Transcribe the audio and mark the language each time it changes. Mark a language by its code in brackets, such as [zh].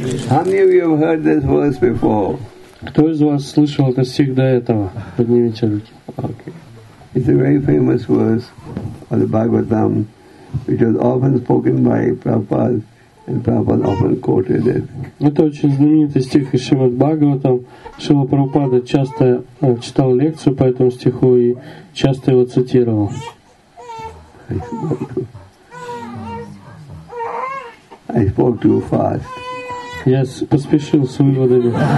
[en] How many of you have heard this verse before? [ru] Кто из вас слышал это стих до этого? Поднимите руки. [en] Okay. It's a very famous verse of the Bhagavatam, which was often spoken by Prabhupada, and Prabhupada often quoted it. [ru] Это очень знаменитый стих из Шримад Бхагаватам. Шрила Прабхупада часто читал лекцию по этому стиху и часто его цитировал. [en] I spoke too fast. [ru] Я поспешил с выводами.